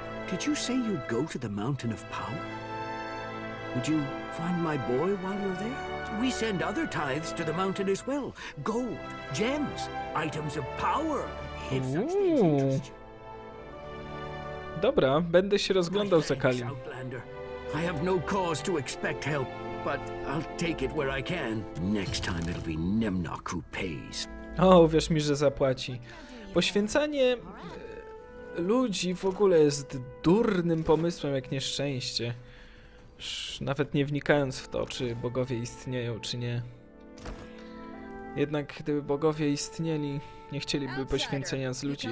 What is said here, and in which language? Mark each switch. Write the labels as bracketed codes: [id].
[en] Did you say you'd go to the Mountain of Power? Would you find my boy while you're there? We send other tithes to the mountain as well. Gold, gems, items of power. If such things interest you. [pl] Dobra, będę się rozglądał za Kalim. [en] I have no cause to expect help, but I'll take it where I can. Next time it'll be Nemnok who pays. [pl] O, uwierz mi, że zapłaci. Poświęcanie ludzi w ogóle jest durnym pomysłem, jak nieszczęście. Nawet nie wnikając w to, czy bogowie istnieją, czy nie. Jednak gdyby bogowie istnieli, nie chcieliby poświęcenia z ludzi.